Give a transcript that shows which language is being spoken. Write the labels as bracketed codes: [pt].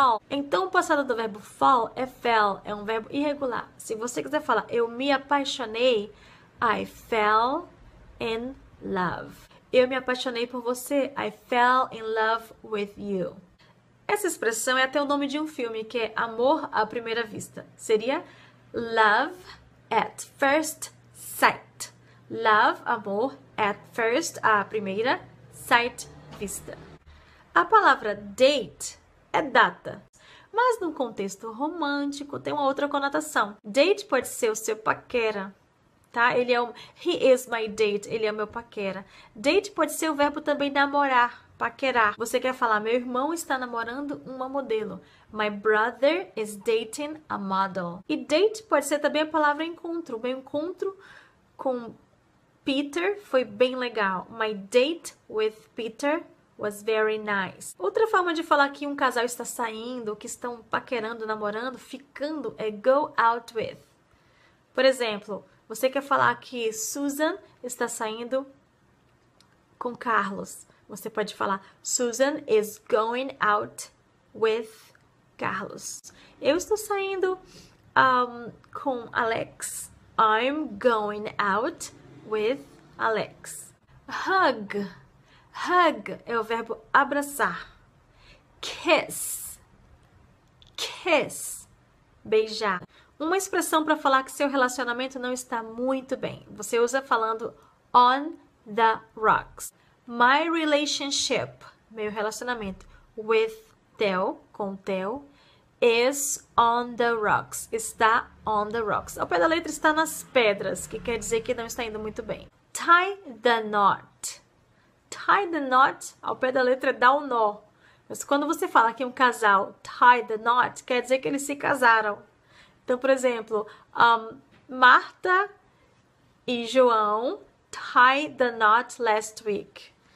[pt] Então, o passado do verbo fall é fell, é um verbo irregular. Se você quiser falar eu me apaixonei, [en] I fell in love. [pt] Eu me apaixonei por você, [en] I fell in love with you. [pt] Essa expressão é até o nome de um filme que é Amor à Primeira Vista. [en] Seria love at first sight. [pt] Love, amor, at first, a primeira, sight, vista. A palavra date é data, mas num contexto romântico tem uma outra conotação. Date pode ser o seu paquera, tá? [en] He is my date, [pt] ele é o meu paquera. Date pode ser o verbo também namorar, paquerar. Você quer falar, meu irmão está namorando uma modelo. [en] My brother is dating a model. [pt] E date pode ser também a palavra encontro. Meu encontro com Peter foi bem legal. [en] My date with Peter was very nice. [pt] Outra forma de falar que um casal está saindo, que estão paquerando, namorando, ficando, é [en] go out with. [pt] Por exemplo, você quer falar que Susan está saindo com Carlos. Você pode falar [en] Susan is going out with Carlos. [pt] Eu estou saindo com Alex. [en] I'm going out with Alex. Hug. [pt] Hug é o verbo abraçar. Kiss. Kiss. Beijar. Uma expressão para falar que seu relacionamento não está muito bem. Você usa falando [en] on the rocks. My relationship, [pt] meu relacionamento [en] with Theo, com Theo, is on the rocks. [pt] Está [en] on the rocks. [pt] Ao pé da letra está nas pedras, que quer dizer que não está indo muito bem. [en] Tie the knot. Tie the knot, [pt] ao pé da letra, dá um nó. Mas quando você fala que um casal [en] tie the knot, [pt] quer dizer que eles se casaram. Então, por exemplo, Marta e João [en] tie the knot last week.